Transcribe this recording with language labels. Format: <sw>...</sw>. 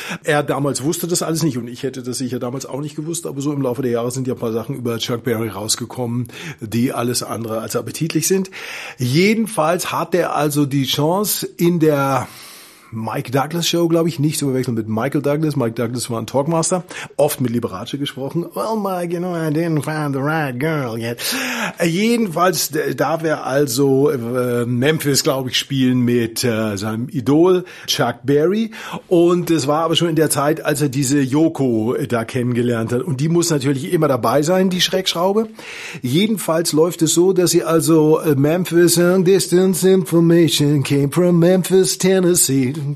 <de>Er damals wusste das alles nicht und ich hätte das sicher damals auch nicht gewusst, aber so im Laufe der Jahre sind ja ein paar Sachen über Chuck Berry rausgekommen, die alles andere als appetitlich sind. Jedenfalls hat er also die Chance in der Mike Douglas Show, glaube ich, nicht zu verwechseln mit Michael Douglas. Mike Douglas war ein Talkmaster, oft mit Liberace gesprochen.</de> <en>Well, Mike, you know, I didn't find the right girl yet.</en> <de>Jedenfalls darf er also Memphis, glaube ich, spielen mit seinem Idol Chuck Berry. Und es war aber schon in der Zeit, als er diese Yoko da kennengelernt hat. Und die muss natürlich immer dabei sein, die Schreckschraube. Jedenfalls läuft es so, dass sie also</de> <en>Memphis and Distance Information came from Memphis, Tennessee.</en>